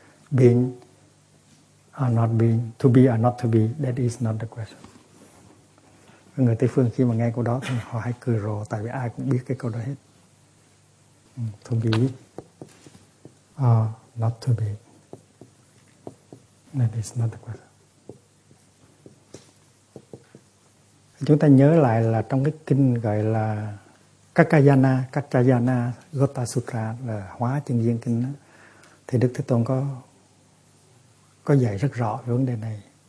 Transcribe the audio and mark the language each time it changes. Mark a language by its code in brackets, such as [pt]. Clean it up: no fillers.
[en] Being or not being, to be or not to be, that is not the question. [vi] Người Tây Phương khi mà nghe câu đó thì họ hay cười rồ, tại vì ai cũng biết cái câu đó hết. [en] To be or not to be, that is not the question. [vi] Chúng ta nhớ lại là trong cái kinh gọi là Kakayana, Kacayana, Gota Sutra, là hóa chân duyên kinh đó, thì Đức Thế Tôn có dạy rất rõ về vấn đề này.